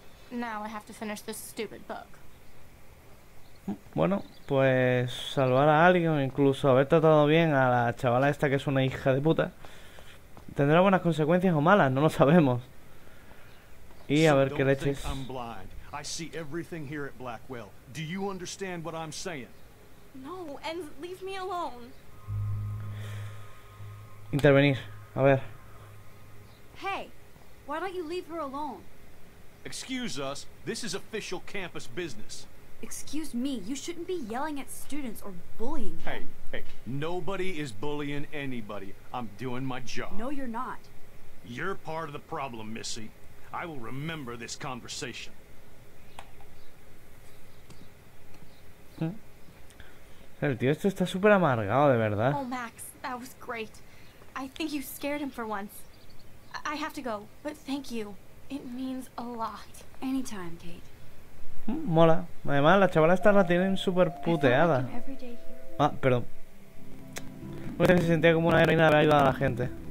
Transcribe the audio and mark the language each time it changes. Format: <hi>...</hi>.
<en>Now I have to finish this stupid book.</en> <es>Bueno, pues salvar a alguien, incluso haber tratado bien a la chavala esta que es una hija de puta, tendrá buenas consecuencias o malas, no lo sabemos. Y a ver qué leches.</es> <en>I'm blind. I see everything here at Blackwell. Do you understand what I'm saying? No, and leave me alone.</en> <es>Intervenir. A ver.</es> <en>Hey, why don't you leave her alone? Excuse us. This is official campus business. Excuse me. You shouldn't be yelling at students or bullying them. Hey. Nobody is bullying anybody. I'm doing my job. No, you're not. You're part of the problem, Missy. I will remember this conversation.</en> <es>El tío este está súper amargado, de verdad.</es> <en>Oh, Max, that was great. I think you scared him for once. I have to go, but thank you. It means a lot. Anytime, Kate.</en> <es>Mola. Además, la chavala esta la tienen súper puteada. Ah, perdón. Pues se sentía como una heroína de ayuda a la gente.</es>